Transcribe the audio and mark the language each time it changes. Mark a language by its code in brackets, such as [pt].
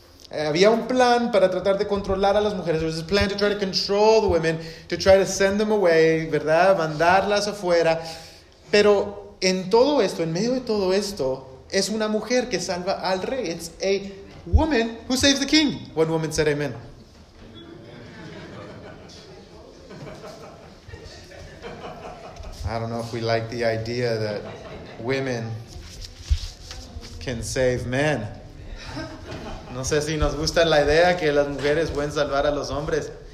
[es] Había un plan para tratar de controlar a las mujeres. [en] There was a plan to try to control the women, to try to send them away, ¿verdad? [es] Mandarlas afuera. Pero en todo esto, en medio de todo esto, es una mujer que salva al rey. [en] It's a woman who saves the king. One woman said amen. I don't know if we like the idea that women can save men. [es] No sé si nos gusta la idea que las mujeres pueden salvar a los hombres.